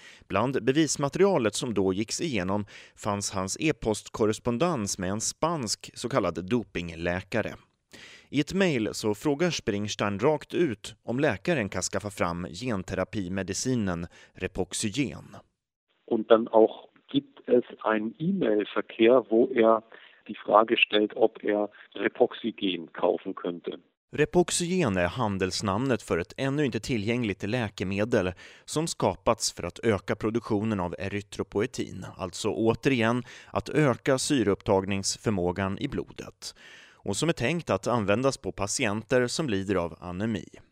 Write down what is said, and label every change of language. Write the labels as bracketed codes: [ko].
[sv] Bland bevismaterialet som då gicks igenom fanns hans e-postkorrespondens med en spansk så kallad dopingläkare. I ett mejl så frågar Springsteen rakt ut om läkaren kan skaffa fram genterapimedicinen Repoxygen. [de] Und dann auch gibt es ein E-Mail-Verkehr, wo er die Frage stellt, ob er Repoxygen kaufen könnte. [sv] Repoxygen är handelsnamnet för ett ännu inte tillgängligt läkemedel som skapats för att öka produktionen av erytropoetin, alltså återigen att öka syreupptagningsförmågan i blodet, och som är tänkt att användas på patienter som lider av anemi.